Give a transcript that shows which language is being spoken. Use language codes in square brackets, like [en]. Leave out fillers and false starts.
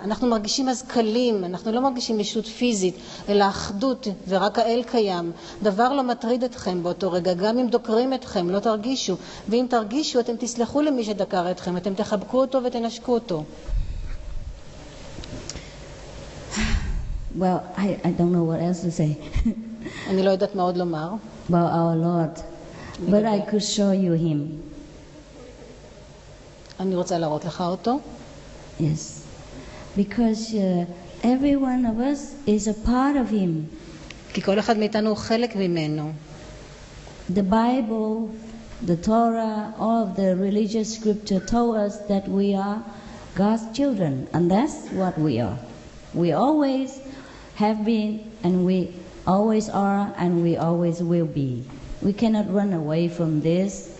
[he] אנחנו מרגישים אז קלים, אנחנו לא מרגישים ישות פיזית, אלא אחדות, ורק האל קיים. דבר לא מטריד אתכם באותו רגע, גם אם דוקרים אתכם, לא תרגישו. ואם תרגישו, אתם תסלחו למי שדקר אתכם, אתם תחבקו אותו ותנשקו אותו. [en] Well, I don't know what else to say. [he] אני לא יודעת מה עוד לומר. [en] About our Lord. But I could show you him. [he] אני רוצה להראות לך אותו. [en] Yes. Because every one of us is a part of him. [he] כי כל אחד מאיתנו הוא חלק ממנו. [en] The Bible, the Torah, all of the religious scripture told us that we are God's children. And that's what we are. We always have been and we always are and we always will be. We cannot run away from this